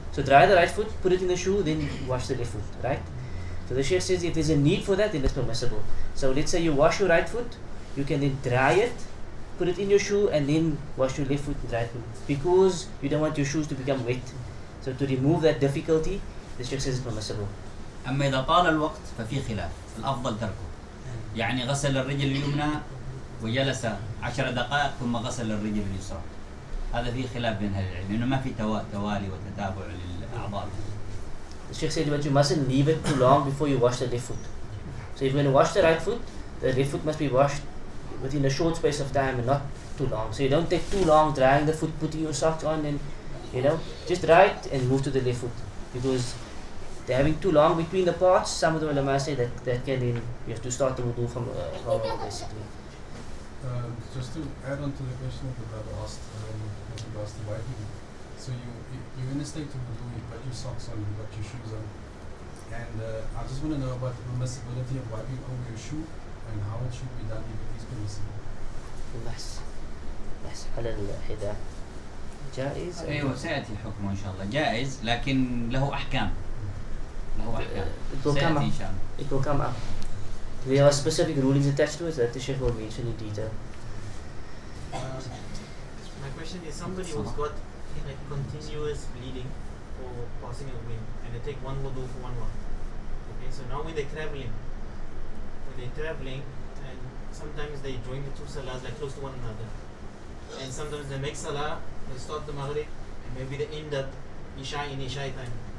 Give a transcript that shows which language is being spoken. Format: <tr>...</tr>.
<en>So dry the right foot, put it in the shoe, then wash the left foot, right? So the Sheikh says if there's a need for that, then it's permissible. So let's say you wash your right foot, you can then dry it, put it in your shoe, and then wash your left foot and dry it, because you don't want your shoes to become wet. So to remove that difficulty, the Sheikh says it's permissible.</en> <ar>أما إذا طال الوقت ففي خلاف، الأفضل تركه. يعني غسل الرجل اليمنى وجلس 10 دقائق ثم غسل الرجل اليسرى. هذا في خلاف بين أهل العلم، لأنه ما في توالي وتتابع للأعضاء.</ar> <en>The Sheikh said that you mustn't leave it too long before you wash the left foot. So if you're going to wash the right foot, the left foot must be washed within a short space of time and not too long. So you don't take too long drying the foot, putting your socks on, and you know, just dry it and move to the left foot. Because they're having too long between the parts, some of the ulama say that that can then you have to start the wudu from basically. Just to add on to the question that I've asked with regards to wiping. So you're in a state of wudu, you've got your socks on, you've got your shoes on. And I just want to know about the permissibility of wiping over your shoe and how it should be done if it is permissible.</en> <ar>Yes. Yes. على الحذاء جائز. أيوة سيأتي الحكم إن شاء الله جائز لكن له أحكام.</ar> <en>It will come up. There are specific rulings attached to it that the Sheikh will mention in detail. My question is, somebody who's got like continuous bleeding or passing of wind, and they take one wudu for 1 month. Okay, so now when they're traveling, and sometimes they join the two salahs like close to one another, and sometimes they make salah, they start the maghrib, and maybe they end up isha in isha time.</en>